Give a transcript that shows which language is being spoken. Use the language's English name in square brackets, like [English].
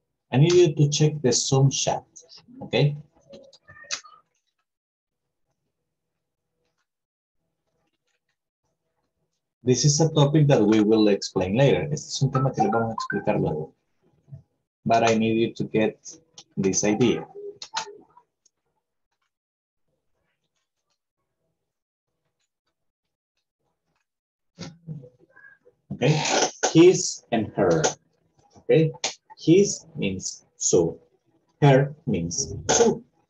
[English] I need you to check the Zoom chat, okay? This is a topic that we will explain later. [Spanish] Este es un tema que le vamos a explicar luego. [English] But I need you to get this idea. Okay, his and her, okay? His means so, her means so.